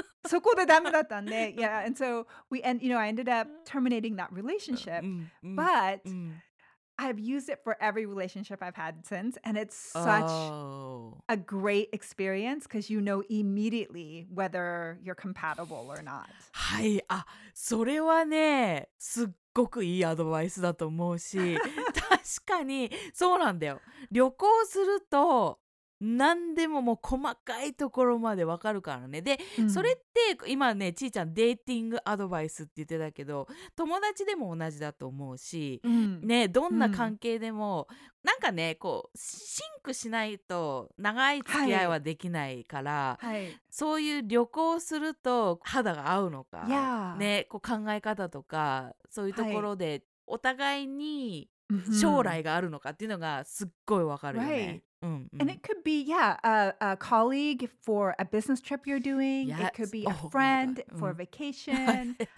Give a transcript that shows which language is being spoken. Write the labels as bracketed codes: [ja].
[ja] そこでダメだったんで [en] yeah and so we and you know I ended up terminating that relationship but I've used it for every relationship I've had since and it's such a great experience because you know immediately whether you're compatible or not. [ja] はい、あ、それはね、すっごくいいアドバイスだと思うし、確かにそうなんだよ。旅行すると何でももう細かいところまでわかるからね。で、うん、それって今ねちーちゃんデーティングアドバイスって言ってたけど友達でも同じだと思うし、うん、ねどんな関係でも、うん、なんかねこうシンクしないと長い付き合いはできないから、はい、そういう旅行すると肌が合うのか、 [en] yeah. [ja] ね、こう考え方とかそういうところでお互いに将来があるのかっていうのがすっごいわかるよね、 [en] right. And it could be, yeah, a colleague for a business trip you're doing. Yes. It could be a friend for a vacation.